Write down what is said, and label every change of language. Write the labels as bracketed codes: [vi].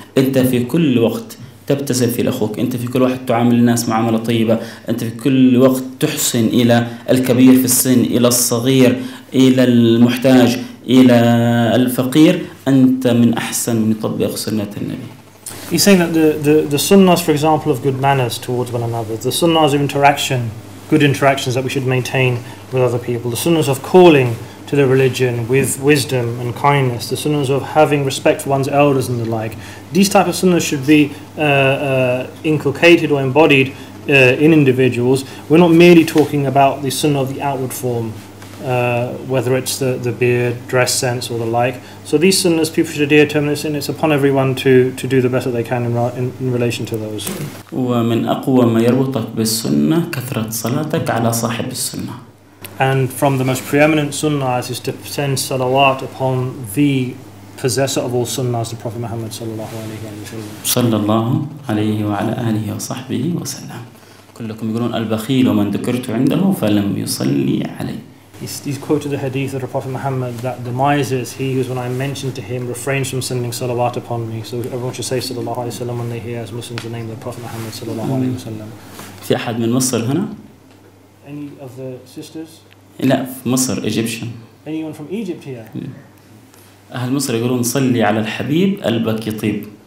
[ar] أنت في كل وقت تبتسم في الأخوك، أنت في كل وقت تعامل الناس معاملة طيبة، أنت في كل وقت تحسن إلى الكبير في السن، إلى الصغير، إلى المحتاج، إلى الفقير، أنت من أحسن من يطبق سنة النبي. [en] He's saying that the sunnahs, for example, of good manners towards one another, the sunnahs of interaction, good interactions that we should maintain with other people, the sunnahs of calling to the religion with wisdom and kindness, the sunnahs of having respect for one's elders and the like. These type of sunnahs should be inculcated or embodied in individuals. We're not merely talking about the sunnah of the outward form, whether it's the beard, dress sense or the like. So these sunnahs people should adhere to, and it's upon everyone to do the best that they can in relation to those. [ar] ومن أقوى ما يربطك بالسنة كثرة صلاتك على صاحب السنة. [en] And from the most preeminent sunnahs is to send salawat upon the possessor of all sunnahs, the Prophet Muhammad sallallahu alayhi wa sallam. [ar] Sallallahu alayhi wa ala alihi wa sahbihi wa sallam. كلكم يقولون البخيل ومن ذكرت عنده فلم يصلي عليه. [en] He's quoted the hadith of the Prophet Muhammad that the miser is he who's, when I mention to him, refrains from sending salawat upon me. So everyone should say sallallahu alayhi wa sallam when they hear as Muslims the name of the Prophet Muhammad sallallahu alayhi wa sallam. [ar] في أحد من مصر هنا؟ [en] Any of the sisters? [ar] لا في مصر Egyptian. [en] Anyone from Egypt here? [ar] أهل مصر يقولون صلي على الحبيب قلبك يطيب.